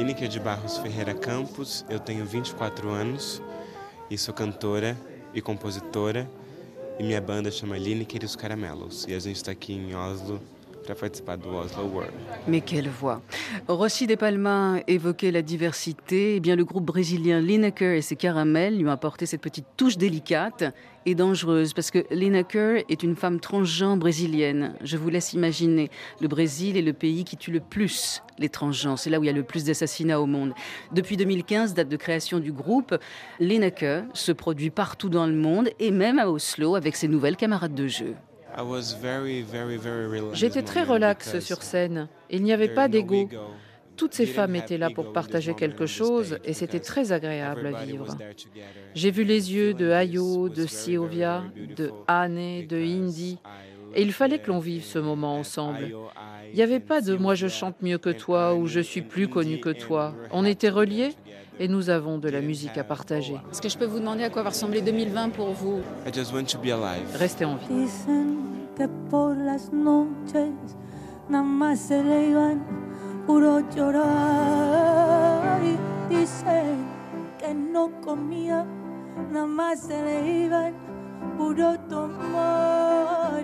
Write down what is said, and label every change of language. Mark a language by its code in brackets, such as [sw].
[pt] De Barros Ferreira Campos, eu tenho 24 anos e sou cantora e compositora e minha banda chama Lineker e os Caramelos e a gente está aqui em Oslo para participar do Oslo World. [fr] Mais quelle voix! Rossi de Palma évoquait la diversité, et bien le groupe brésilien Lineker et ses Caramels lui ont apporté cette petite touche délicate et dangereuse, parce que Lineker est une femme transgenre brésilienne. Je vous laisse imaginer, le Brésil est le pays qui tue le plus les transgenres, c'est là où il y a le plus d'assassinats au monde. Depuis 2015, date de création du groupe, Lineker se produit partout dans le monde, et même à Oslo avec ses nouvelles camarades de jeu. J'étais très relax sur scène. Il n'y avait pas d'ego. Toutes ces femmes étaient là pour partager quelque chose et c'était très agréable à vivre. J'ai vu les yeux de Ayo, de Silvia, de Anne, de Indy. Et il fallait que l'on vive ce moment ensemble. Il n'y avait pas de « moi je chante mieux que toi » ou « je suis plus connu que toi ». On était reliés et nous avons de la musique à partager. Est-ce que je peux vous demander à quoi va ressembler 2020 pour vous ? Restez en vie. [es] Dicen que por las noches nada más se le iban puro llorar. Dicen que no comía nada más se le iban puro tomar.